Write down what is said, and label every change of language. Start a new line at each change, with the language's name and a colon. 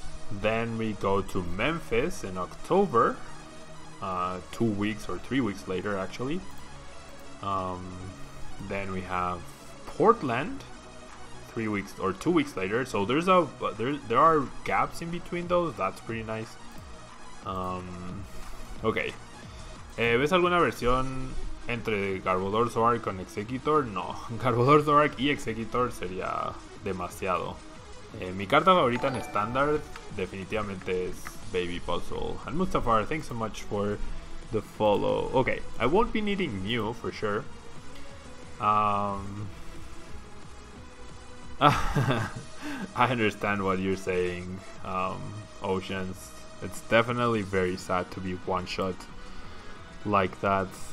English: Then we go to Memphis in October, 2 weeks or 3 weeks later, actually. Then we have Portland 3 weeks or 2 weeks later. So there are gaps in between those. That's pretty nice. Ok.
Spanish: ¿Ves alguna versión entre Garbodor Zoroark con Exeggutor? No, Garbodor Zoroark y Exeggutor sería demasiado. Mi carta favorita en estándar definitivamente es Baby Puzzle.
English: And Mustafar, thanks so much for the follow. Ok, I won't be needing Mew for sure. I understand what you're saying, Oceans. It's definitely very sad to be one shot like that.